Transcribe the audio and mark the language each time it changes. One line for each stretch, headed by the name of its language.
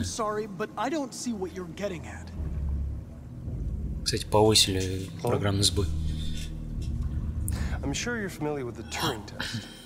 English: I'm sorry, but I don't see what you're getting at.
Russian: Кстати, повысили программный сбой.
English: I'm sure you're familiar with the Turing test.